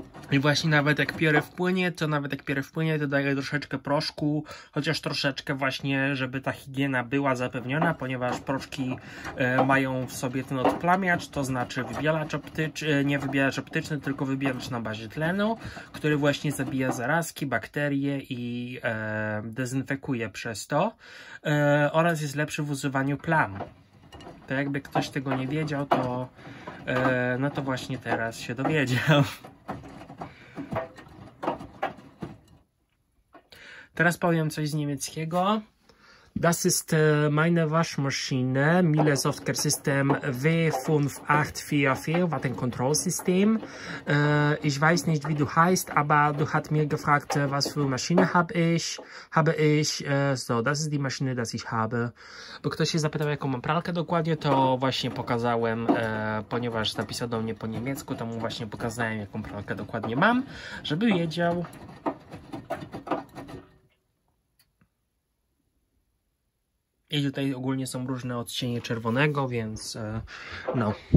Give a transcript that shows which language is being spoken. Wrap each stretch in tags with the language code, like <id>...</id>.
<pl>I właśnie nawet jak piorę wpłynie, to nawet jak piorę wpłynie, to daję troszeczkę proszku, chociaż troszeczkę właśnie, żeby ta higiena była zapewniona, ponieważ proszki mają w sobie ten odplamiacz, to znaczy wybielacz optyczny, nie wybielacz optyczny, tylko wybielacz na bazie tlenu, który właśnie zabija zarazki, bakterie i dezynfekuje przez to oraz jest lepszy w usuwaniu plam. To jakby ktoś tego nie wiedział, to no to właśnie teraz się dowiedział. Teraz powiem coś z niemieckiego.</pl> <de>Das ist meine Waschmaschine. Miele Software System W5844, Wattenkontrollsystem. Ich weiß nicht, wie du heißt, aber du hast mir gefragt, was für Maschine habe ich. So, das ist die Maschine, das ich habe.</de> <pl>Bo ktoś się zapytał, jaką mam pralkę dokładnie, to właśnie pokazałem, ponieważ napisał do mnie po niemiecku, to mu właśnie pokazałem, jaką pralkę dokładnie mam, żeby wiedział. I tutaj ogólnie są różne odcienie czerwonego, więc no.</pl>